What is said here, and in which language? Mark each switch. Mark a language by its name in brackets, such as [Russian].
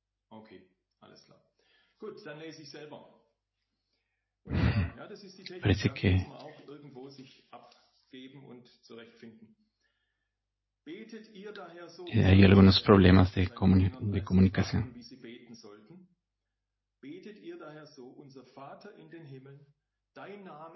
[German] Okay, alles klar. Gut, dann lese ich selber. Ja, das ist die Technik, da muss man auch irgendwo sich abgeben und zurechtfinden. Betet ihr daher so? [Spanish] Ja, hay algunos problemas de comunicación. [German] Wie sie beten sollten. Betet ihr daher so, unser Vater in den Himmeln, dein Name.